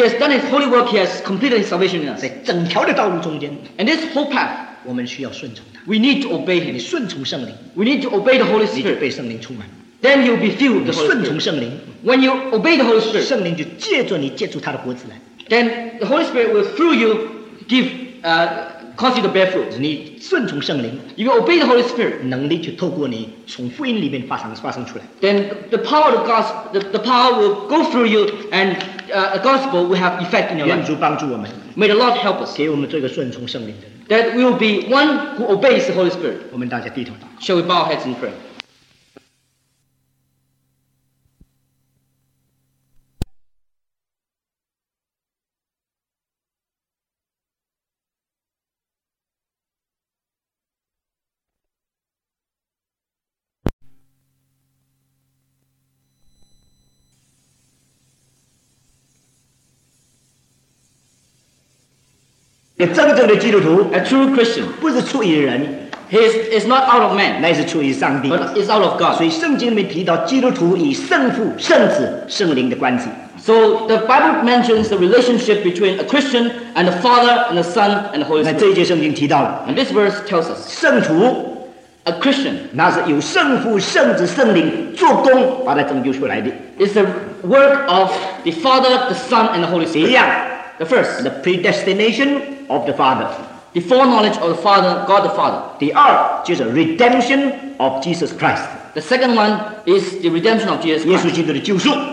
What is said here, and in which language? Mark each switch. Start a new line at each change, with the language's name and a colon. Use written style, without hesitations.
English: he has done his holy work, he has completed his salvation in us.
Chinese: 在整条的道路中间,
English: and this whole path,
Chinese: 我们需要顺从他,
English: we need to obey him.
Chinese: 你顺从圣灵,
English: we need to obey the Holy Spirit.
Chinese: 你就被圣灵充满,
English: then you'll be filled the Holy Spirit. When you obey the Holy Spirit,
Chinese: 圣灵就借着你, 借着他的果子来,
English: then the Holy Spirit will through you give cause you to bear fruit.
Chinese: 你顺从圣灵,
English: if you obey the Holy Spirit,
Chinese: 能力就透过你, 从福音里面发生出来,
English: then the power of God, the power will go through you, and the gospel will have effect in your life.
Chinese: 愿主帮助我们,
English: may the Lord help us,
Chinese: 给我们做一个顺从圣灵的人,
English: that we'll be one who obeys the Holy Spirit.
Chinese: 我们大家低头祷告,
English: shall we bow our heads in prayer? A true Christian, he is not out of man, but is out of God.
Chinese: 所以圣经里面提到基督徒与圣父、圣子、圣灵的关系。
English: So the Bible mentions the relationship between a Christian and the Father and the Son and the Holy Spirit.
Chinese: 那这一节圣经提到了,
English: and this verse tells us,
Chinese: 圣徒,
English: a Christian,
Chinese: 那是由圣父、圣子、圣灵做工把它拯救出来的。
English: It's the work of the Father, the Son, and the Holy Spirit.
Chinese: 一样,
English: the first, the predestination of the Father, the foreknowledge of the Father, God the Father.
Chinese: 第二, 就是
English: redemption of Jesus Christ. The second one is the redemption of Jesus Christ.
Chinese: 耶稣基督的救赎,